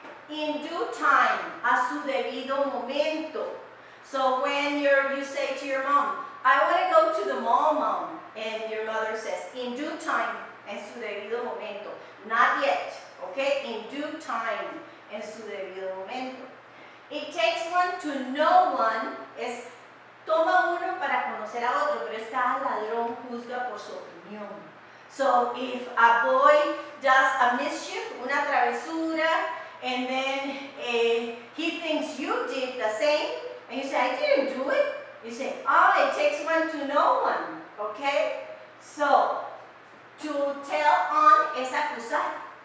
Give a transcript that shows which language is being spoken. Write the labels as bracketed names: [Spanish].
[Spanish] In due time, a su debido momento. [English] So when you say to your mom, I want to go to the mall, Mom, and your mother says, in due time, en su debido momento, not yet, okay? [Spanish] In due time, en su debido momento. It takes one to know one, es toma uno para conocer a otro, pero es cada ladrón juzga por su opinión. [English] So if a boy does a mischief, una travesura, and then he thinks you did the same, and you say, I didn't do it. You say, oh, it takes one to know one. Okay? So, to tell on es acusar.